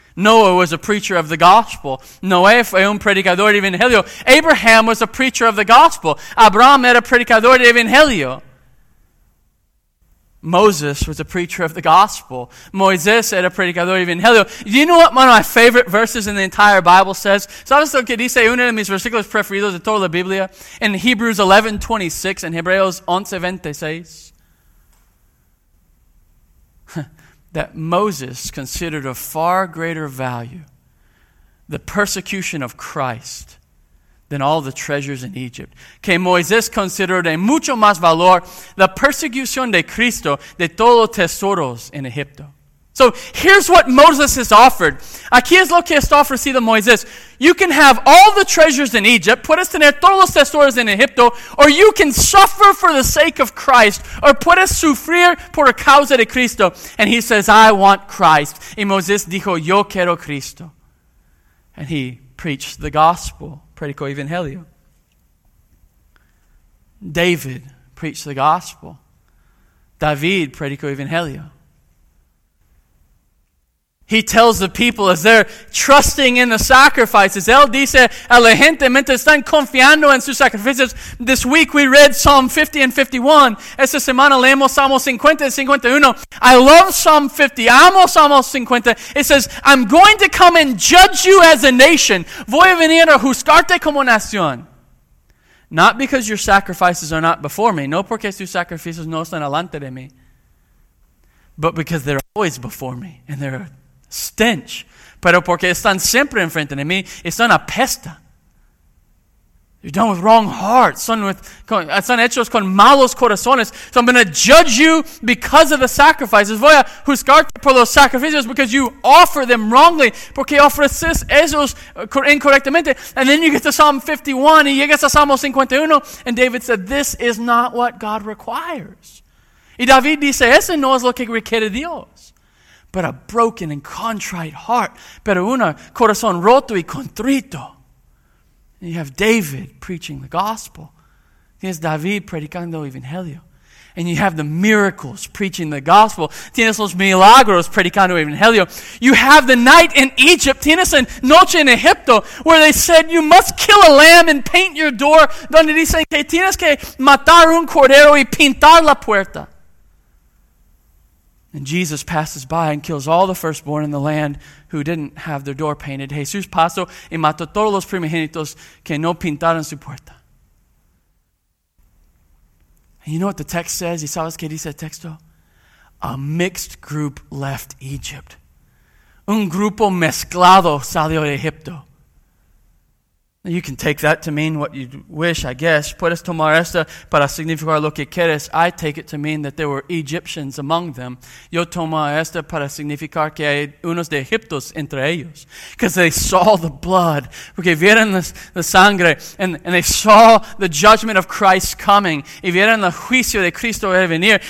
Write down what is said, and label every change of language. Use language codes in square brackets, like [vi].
[en] Noah was a preacher of the gospel. [es] Noé fue un predicador de evangelio. [en] Abraham was a preacher of the gospel. [es] Abraham era predicador de evangelio. [en] Moses was a preacher of the gospel. [es] Moisés era predicador de evangelio. [en] You know what one of my favorite verses in the entire Bible says? [es] ¿Sabes lo que dice uno de mis versículos preferidos de toda la Biblia? [en] In Hebrews 11:26 and Hebreos 11:26. That Moses considered of far greater value the persecution of Christ than all the treasures in Egypt. [es] Que Moisés consideró de mucho más valor la persecución de Cristo de todos los tesoros en Egipto. [en] So here's what Moses is offered. [es] Aquí es lo que está ofrecido Moisés. [en] You can have all the treasures in Egypt, [es] puedes tener todos los tesoros en Egipto, [en] or you can suffer for the sake of Christ, or [es] puedes sufrir por causa de Cristo. [en] And he says, I want Christ. [es] Y Moisés dijo, yo quiero Cristo. [en] And he preached the gospel, [es] predicó evangelio. [en] David preached the gospel. [es] David predicó evangelio. [en] He tells the people as they're trusting in the sacrifices. [es] Él dice a la gente mientras están confiando en sus sacrificios. [en] This week we read Psalm 50 and 51. [es] Esta semana leemos Salmo 50 y 51. [en] I love Psalm 50. [es] Amo Salmo 50. [en] It says, I'm going to come and judge you as a nation. [es] Voy a venir a juzgarte como nación. [en] Not because your sacrifices are not before me. [es] No porque sus sacrificios no están delante de mí. [en] But because they're always before me. And they're a stench. [es] Pero porque están siempre enfrente de mí. Están a pesta. [en] You're done with wrong hearts. [es] Están hechos con malos corazones. [en] So I'm going to judge you because of the sacrifices. [es] Voy a juzgarte por los sacrificios [en] because you offer them wrongly. [es] Porque ofreces esos incorrectamente. [en] And then you get to Psalm 51 [es] y llegas a Salmo 51. [en] And David said, this is not what God requires. [es] Y David dice, ese no es lo que requiere Dios. [en] But a broken and contrite heart. [es] Pero un corazón roto y contrito. [en] You have David preaching the gospel. [es] Tienes David predicando evangelio. [en] And you have the miracles preaching the gospel. [es] Tienes los milagros predicando evangelio. [en] You have the night in Egypt. [es] Tienes la noche en Egipto [en] where they said you must kill a lamb and paint your door. [es] Donde dicen que tienes que matar un cordero y pintar la puerta. [en] And Jesus passes by and kills all the firstborn in the land who didn't have their door painted. [es] Jesús pasó y mató todos los primogénitos que no pintaron su puerta. [en] And you know what the text says? [es] ¿Y sabes qué dice el texto? [en] A mixed group left Egypt. [es] Un grupo mezclado salió de Egipto. [en] You can take that to mean what you wish, I guess. [es] Puedes tomar esta para significar lo que quieres. [en] I take it to mean that there were Egyptians among them. [es] Yo tomo esta para significar que hay unos de Egiptos entre ellos. [en] Because they saw the blood. [es] Porque vieron la sangre. [en] And they saw the judgment of Christ coming. [es] Y vieron el juicio de Cristo a venir.